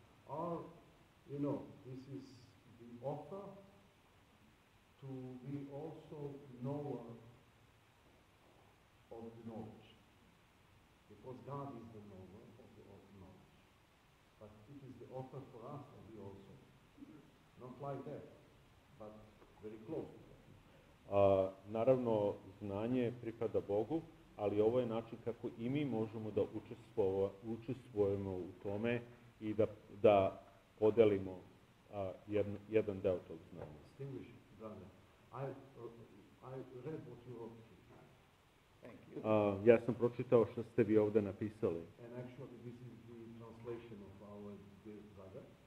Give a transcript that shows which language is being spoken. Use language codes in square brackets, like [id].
[en] You know, this is the offer to be also knower of the knowledge. Because God is the knower of the knowledge. But it is the offer for us to be also. Not like that, but very close to that. [sr] Naravno, znanje pripada Bogu, ali ovo je način kako i mi možemo da učestvujemo u tome i da podelimo jedan deo tog znanja. [en] Distinguished brother, I read what you wrote. Thank you. [sr] Ja sam pročitao što ste vi ovde napisali. [en] And actually this is the translation of our dear brother.